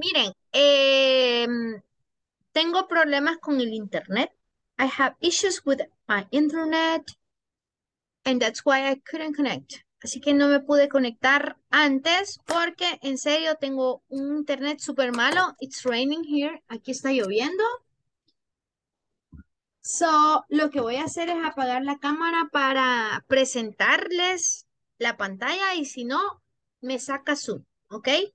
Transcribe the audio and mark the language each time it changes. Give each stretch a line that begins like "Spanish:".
Spanish: Miren, tengo problemas con el internet.
English: I have issues with my internet, and that's why I couldn't connect.
Spanish: Así que no me pude conectar antes porque en serio tengo un internet súper malo.
English: It's raining here.
Spanish: Aquí está lloviendo. So, lo que voy a hacer es apagar la cámara para presentarles la pantalla y si no, me saca Zoom, ¿ok?